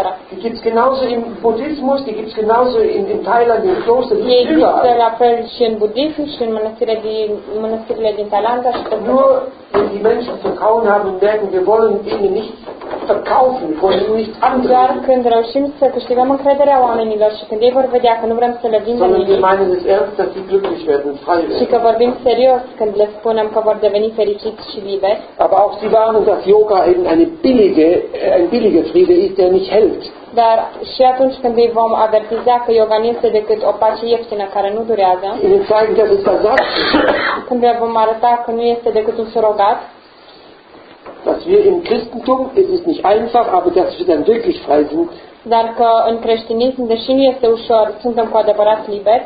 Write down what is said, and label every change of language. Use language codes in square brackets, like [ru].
[de] Die gibt es genauso im Buddhismus, die gibt es genauso in Thailand, im Kloster, die gibt es überall. [ro] Și în mănăstirile din Thailanda și [de] pe nur wenn die Menschen Vertrauen haben und merken, wir wollen ihnen nicht verkaufen, wollen nicht anderen. [ro] Doar când reușim să câștigăm încrederea oamenilor și când ei vor vedea că nu vrem să le vindem nimic. [de] Sondern wir meinen es ernst, dass sie glücklich werden, frei werden. [ro] Și că vorbim serios când le spunem că vor deveni fericiți și liberi. [de] Aber auch sie warnen, dass Yoga eben ein billiger Friede ist, der nicht hält. [ro] Dar și atunci când îi vom avertiza că yoga nu este decât o pace ieftină care nu durează, când îi vom arăta că nu este decât un surogat, [de] dass wir im Christentum, es ist nicht einfach, aber dass wir dann wirklich frei sind, [ro] dar că în creștinism, deși nu este ușor, suntem cu adevărat liberi,